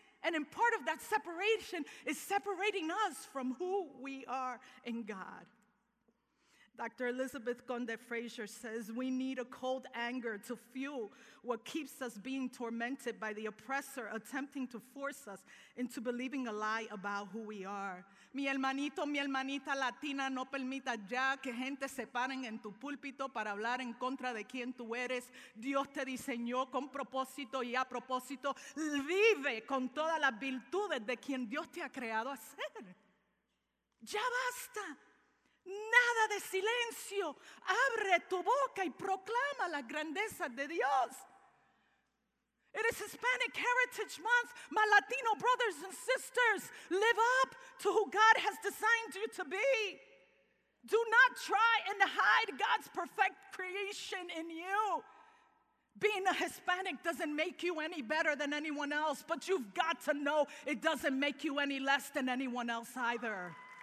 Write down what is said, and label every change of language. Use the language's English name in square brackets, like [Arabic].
[English] And in part of that separation is separating us from who we are in God. Dr. Elizabeth Gonde Fraser says, we need a cold anger to fuel what keeps us being tormented by the oppressor attempting to force us into believing a lie about who we are. [Spanish] Mi hermanito, mi hermanita latina, no permita ya que gente se paren en tu púlpito para hablar en contra de quien tú eres. Dios te diseñó con propósito y a propósito. Vive con todas las virtudes de quien Dios te ha creado a ser. Ya basta. Nada de silencio. Abre tu boca y proclama las grandezas de Dios. [English] It is Hispanic Heritage Month. My Latino brothers and sisters, live up to who God has designed you to be. Do not try and hide God's perfect creation in you. Being a Hispanic doesn't make you any better than anyone else, but you've got to know it doesn't make you any less than anyone else either.